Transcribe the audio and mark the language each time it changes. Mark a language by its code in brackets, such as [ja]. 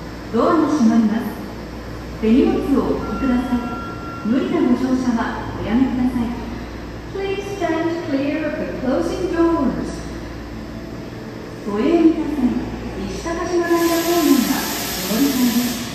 [ja] ドアが閉まります。手荷物をお置きください。無理なご乗車はおやめください。 [en] Please stand clear of the closing doors. [ja] 都営三田線石高島平方面が乗り換えです。